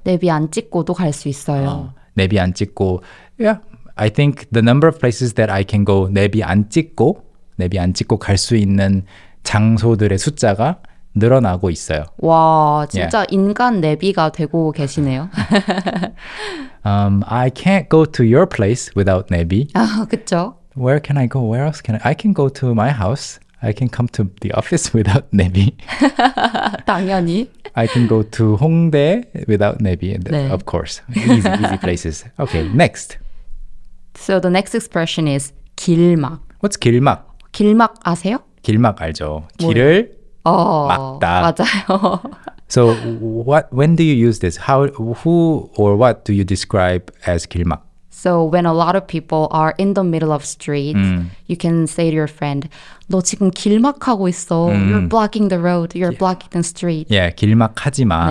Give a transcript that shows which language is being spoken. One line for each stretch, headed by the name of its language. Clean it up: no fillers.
Korean: 내비 안 찍고도 갈 수 있어요. 내비 안 찍고,
English: yeah, I think the number of places that I can go
Korean: 내비 안 찍고 갈 수 있는 장소들의 숫자가 늘어나고 있어요. 와, 진짜
English: yeah.
Korean: 인간 내비가 되고 계시네요.
English: I can't go to your place without 내비.
Korean: 아, 그쵸.
English: Where can I go? Where else can I? I can go to my house. I can come to the office without 내비.
Korean: 당연히.
English: I can go to 홍대 without 내비,
Korean: 네.
English: of course. Easy places. Okay, next. So the next expression is 길막. What's 길막? 길막 아세요?
Korean: 길막 알죠. 뭐예요? 길을 막다. 맞아요.
English: So what, when do you use this? How, who or what do you describe as 길막? So when a lot of people are in the middle of street, you can say to your friend,
Korean: 너 지금 길막하고 있어.
English: You're blocking the road. You're blocking the street. Yeah,
Korean: 길막하지 마.